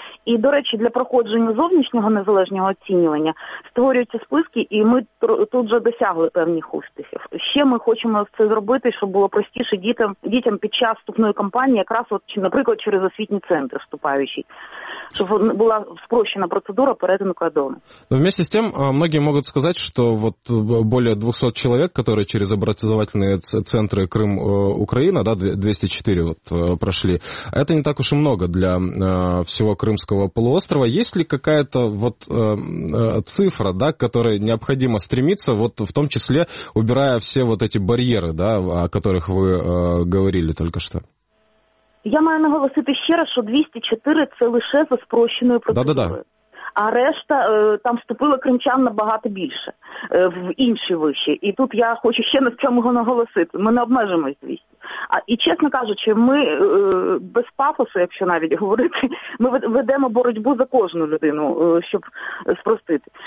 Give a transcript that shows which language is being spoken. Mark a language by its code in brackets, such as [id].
[uk] І, до речі, для проходження зовнішнього незалежного оцінювання створюються списки, і ми тут вже досягли певних успіхів. Ще ми хочемо це зробити, щоб було простіше дітям під час вступної кампанії, якраз, от, наприклад, через освітній центр вступаючий, щоб була спрощена процедура перетину кордону. [ru] Но вместе с тем, многие могут сказать, что вот более 200 человек, которые через образовательные центры Крым, Украина, да, 204 вот прошли. Это не так уж и много для всего Крымского полуострова. Есть ли какая-то вот цифра, да, к которой необходимо стремиться, вот в том числе убирая все вот эти барьеры, да, о которых вы говорили только что? [uk] Я маю наголосити ще раз, що 204 це лише за спрощеною процедурою. [ru] Да. [uk] А решта, там вступило кримчан набагато більше, в інші виші. І тут я хочу ще на цьому наголосити. Ми не обмежимось 200. І чесно кажучи, ми без пафосу, якщо навіть говорити, ми ведемо боротьбу за кожну людину, щоб спростити.